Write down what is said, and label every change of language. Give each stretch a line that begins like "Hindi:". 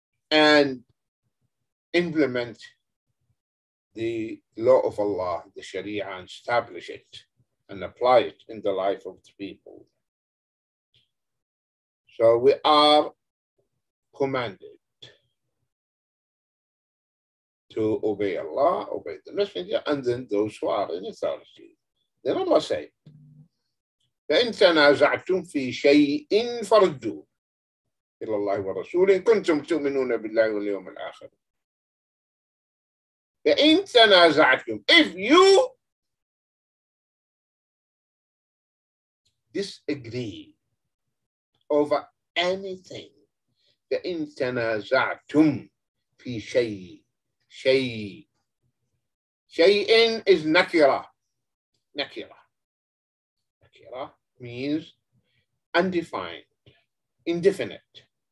English: And implement the law of Allah, the Sharia, and establish it and apply it in the life of the people. So we are commanded to obey Allah, obey the Messenger, and then those who are in authority. Then Allah say,
Arabic: فَإِن تَنَازَعْتُمْ فِي شَيْءٍ فَرُدُّوهُ إِلَى اللَّهِ وَرَسُولِهِ كُنْتُمْ تُؤْمِنُونَ بِاللَّهِ وَالْيَوْمِ الْآخِرِ. فَإِن تَنَازَعْتُمْ,
English: if you disagree over anything,
Arabic: فَإِن تَنَازَعْتُمْ فِي شَيْءٍ
English: is نَكِرَة means undefined, indefinite.